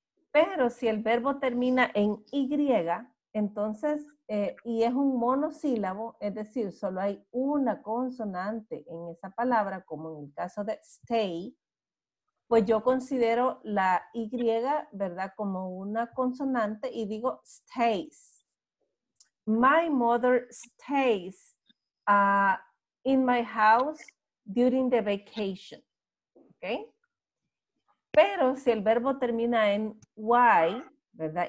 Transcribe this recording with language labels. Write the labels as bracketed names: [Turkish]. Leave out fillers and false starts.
[Spanish] Pero si el verbo termina en Y, entonces, y es un monosílabo, es decir, solo hay una consonante en esa palabra, como en el caso de stay, pues yo considero la Y, ¿verdad?, como una consonante y digo stays. [English] My mother stays in my house during the vacation. [Spanish] ¿Okay? Pero si el verbo termina en Y, ¿verdad?